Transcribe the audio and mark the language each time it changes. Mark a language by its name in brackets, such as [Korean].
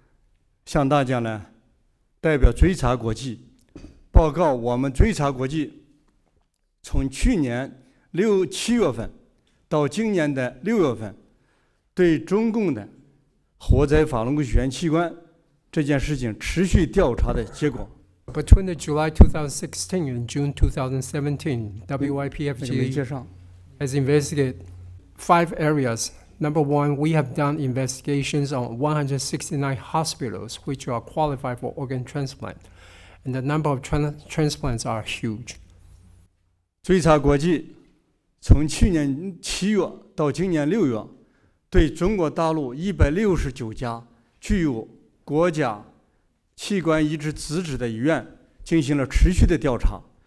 [Chinese] 我今天向大家呢, 代表追查国际, 报告我们追查国际, 从去年 七月份到今年的六月份 对中共的活摘法轮功学员器官 这件事情持续调查的结果 [English] Between the July 2016 and June 2017, WYPFG [Chinese] 没介绍, [English] has investigated five areas. Number one, we have done investigations on 169 hospitals which are qualified for organ transplant. And the number of transplants are huge. [Chinese] 追查国际 从去年7月到今年6月，对中国大陆169家具有国家器官移植资质的医院进行了持续的调查。